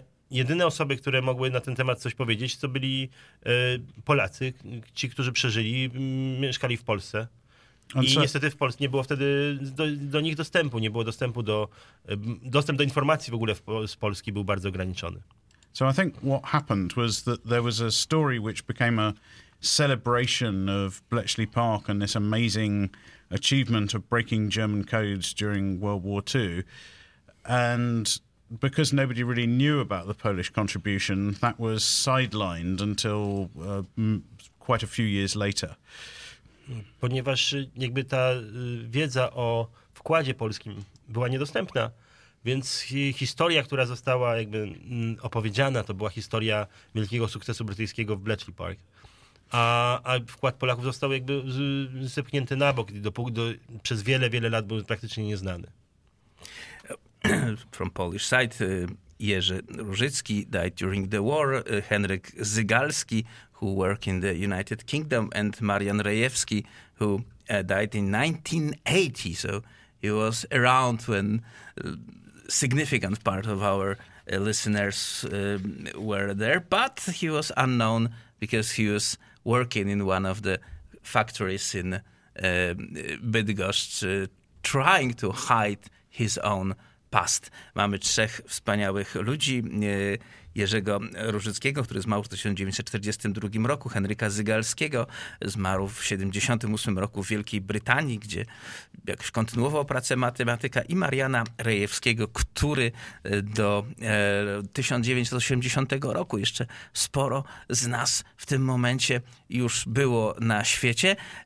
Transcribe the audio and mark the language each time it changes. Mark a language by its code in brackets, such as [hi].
[pl] Jedyne osoby, które mogły na ten temat coś powiedzieć, to byli Polacy, ci, którzy przeżyli, mieszkali w Polsce. I niestety w Polsce nie było wtedy do nich dostępu, nie było dostępu do... Dostęp do informacji w ogóle z Polski był bardzo ograniczony. [en] So I think what happened was that there was a story which became a celebration of Bletchley Park and this amazing achievement of breaking German codes during World War II. And because nobody really knew about the Polish contribution, that was sidelined until quite a few years later. [pl] Ponieważ jakby ta wiedza o wkładzie polskim była niedostępna, więc historia, która została jakby opowiedziana, to była historia wielkiego sukcesu brytyjskiego w Bletchley Park. A wkład Polaków został jakby zepchnięty na bok, przez wiele, wiele lat był praktycznie nieznany. [en] From Polish side, Jerzy Różycki died during the war, Henryk Zygalski, who worked in the United Kingdom, and Marian Rejewski, who died in 1980. So he was around when a significant part of our listeners were there, but he was unknown because he was working in one of the factories in Bydgoszcz, trying to hide his own past. [pl] Mamy trzech wspaniałych ludzi. Jerzego Różyckiego, który zmarł w 1942 roku, Henryka Zygalskiego, zmarł w 1978 roku w Wielkiej Brytanii, gdzie jakoś kontynuował pracę matematyka, i Mariana Rejewskiego, który do 1980 roku, jeszcze sporo z nas w tym momencie już było na świecie.